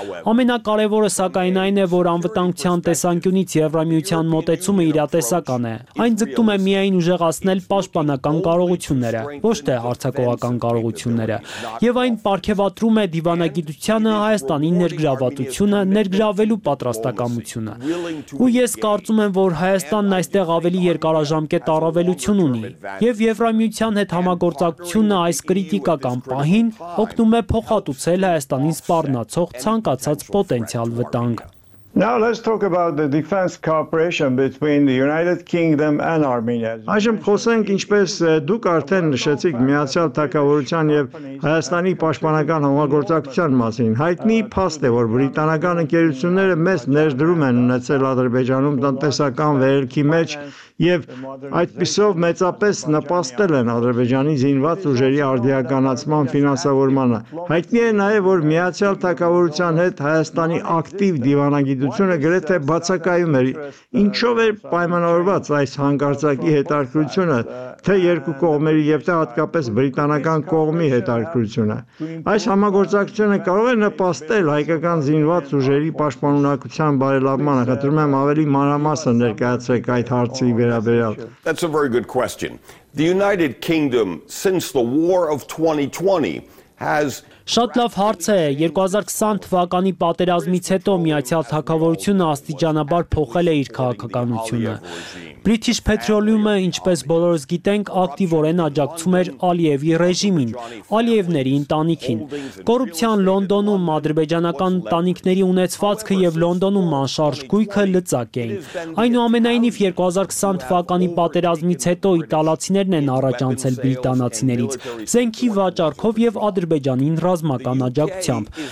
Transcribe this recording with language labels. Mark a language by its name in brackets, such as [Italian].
[Armenian] Ամենակարևորը, սակայն, այն է, որ անվտանգության տեսանկյունից Եվրամիության մոտեցումը իրատեսական է։ Այն ձգտում է միայն ուժեղացնել պաշտպանական կարողությունները, ոչ թե հարձակողական կարողությունները, և այն պարգևատրում է դիվանագիտությանը, Հայաստանի ներգրավվածությունը, ներգրավելու պատրաստակամությունը։ Ու ես կարծում եմ, որ Հայաստանն այստեղ ավելի երկարաժամկետ առավելություն ունի, և Եվրամիության հետ համագործակցությունը այս կրիտիկական պահին օգնում է փոխհատուցել Հայաստանին սպառնացող ցանկացած պոտենցիալ վտանգ։ [English] Now let's talk about the defense cooperation between the United Kingdom and Armenia. [Armenian] Այժմ խոսենք, ինչպես դուք արդեն նշեցիք, Միացյալ Թագավորության եւ Հայաստանի պաշտպանական համագործակցության մասին։ Հայտնի փաստ է, որ բրիտանական ընկերությունները մեծ ներդրում են ունեցել Ադրբեջանում տնտեսական վերելքի մեջ եւ այդպիսով մեծապես նպաստել են Ադրբեջանի զինված ուժերի արդիականացման ֆինանսավորմանը։ Հայտնի է նաեւ, որ Միացյալ Թագավորության հետ Հայաստանի ակտիվ դիվանագիտությունը գրեթե բացակայում էր, ինչով էր պայմանավորված այս հանկարծակի հետարկությունը, թե երկու կողմերի և թե հատկապես բրիտանական կողմի հետարկությունը։ Այս համագործակցությունը կարող է նպաստել հայկական զինված ուժերի պաշտպանունակության բարելավմանը։ Կտրում եմ ավելի մանրամասն ներկայացրեք այդ հարցի վերաբերյալ։ [English] That's a very good question. The United Kingdom, since the war of 2020, has [Armenian] Շատ լավ հարց է։ 2020 թվականի պատերազմից հետո Միացյալ Թագավորությունը աստիճանաբար փոխել է իր քաղաքականությունը։ British Petroleum-ը, ինչպես բոլորս գիտենք, ակտիվորեն աջակցում էր Ալիևի ռեժիմին, Ալիևների ընտանիքին։ Կոռուպցիան Լոնդոնում, ադրբեջանական ընտանիքների ունեցվածքը եւ Լոնդոնում մանշարժ գույքը լծակ էին։ Այնուամենայնիվ 2020 թվականի պատերազմից հետո իտալացիներն են առաջանցել բրիտանացիներից զենքի վաճառքով եւ ադրբեջանի ռազմական աջակցությամբ։